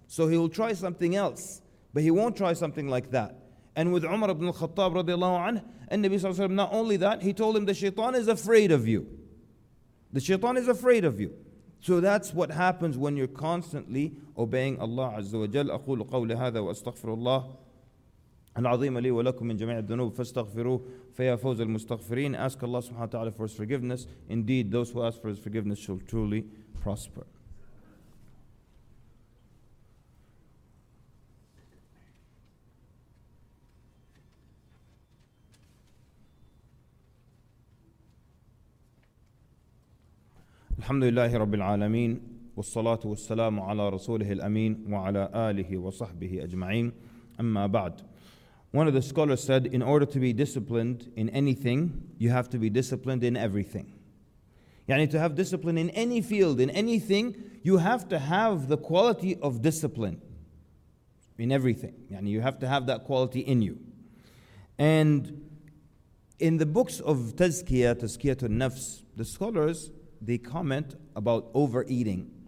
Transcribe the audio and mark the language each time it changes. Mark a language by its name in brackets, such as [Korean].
[English] So he will try something else. But he won't try something like that. And with Umar ibn al-Khattab radiallahu anhu, and Nabi sallallahu alayhi wa sallam, not only that, he told him the shaitan is afraid of you. The shaitan is afraid of you. So that's what happens when you're constantly obeying Allah Azza wa Jal. [Arabic] أقول قولي هذا وأستغفر الله العظيم لي ولكم من جميع الذنوب فاستغفروه فيا فوز المستغفرين. [English] Ask Allah subhanahu wa ta'ala for his forgiveness. Indeed, those who ask for his forgiveness shall truly prosper. [Arabic] الحمد لله رب العالمين والصلاة والسلام على رسوله الأمين وعلى آله وصحبه أجمعين أما بعد. [English] One of the scholars said, in order to be disciplined in anything, you have to be disciplined in everything. يعني to have discipline in any field, in anything, you have to have the quality of discipline in everything. يعني you have to have that quality in you. And in the books of Tazkiyatul Nafs, the scholars, they comment about overeating.